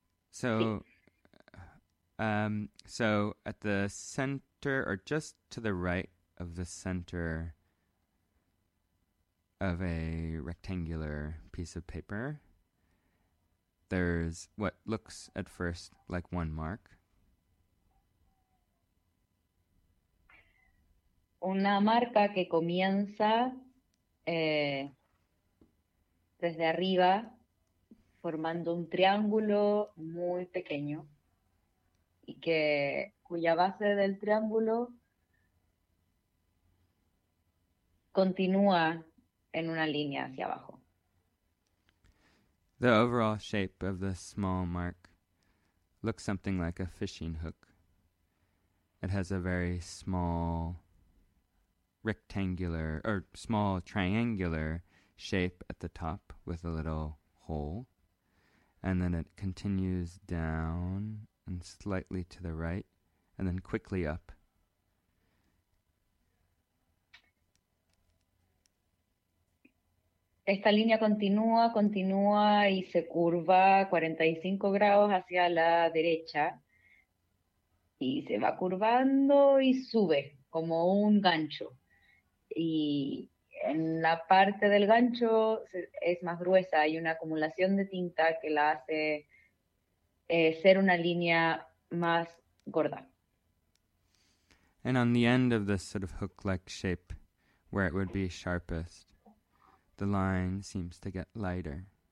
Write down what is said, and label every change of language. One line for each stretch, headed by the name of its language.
English: So, so at the center, or just to the right of the center of a rectangular piece of paper, there's what looks at first like one mark.
Spanish: Una marca que comienza desde arriba, formando un triángulo muy pequeño y que cuya base del triángulo continúa en una línea hacia abajo.
English: The overall shape of the small mark looks something like a fishing hook. It has a very small... rectangular or small triangular shape at the top with a little hole, and then it continues down and slightly to the right and then quickly up.
Spanish: Esta línea continúa y se curva 45 grados hacia la derecha y se va curvando y sube como un gancho. Y en la parte del gancho es más gruesa, hay una acumulación de tinta que la hace ser una línea más gorda.
English: and on the end of this sort of hook-like shape, where it would be sharpest, the line seems to get lighter.